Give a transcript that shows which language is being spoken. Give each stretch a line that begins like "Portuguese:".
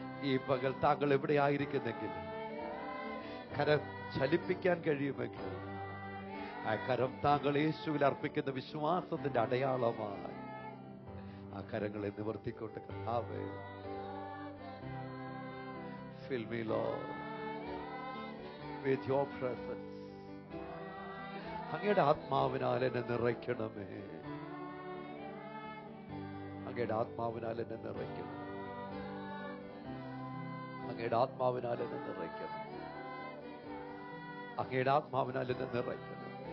Malayalam: ഈ പകൽ താങ്കൾ എവിടെയായിരിക്കുന്നെങ്കിലും കരം ചലിപ്പിക്കാൻ കഴിയുമെങ്കിൽ ആ കരം താങ്കൾ യേശുവിൽ അർപ്പിക്കുന്ന വിശ്വാസത്തിന്റെ അടയാളമായി ആ കരങ്ങളെ നിവർത്തിക്കോട്ടെ കർത്താവേ.
English: Fill me, Lord, with your presence.
Malayalam: അങ്ങയുടെ ആത്മാവിനാൽ എന്നെ നിറയ്ക്കണമേ, അങ്ങയുടെ ആത്മാവിനാൽ എന്നെ നിറയ്ക്കണം, അങ്ങയുടെ ആത്മാവിനാൽ എന്നെ നിറയ്ക്കണം, അങ്ങയുടെ ആത്മാവിനാൽ എന്നെ നിറയ്ക്കണം.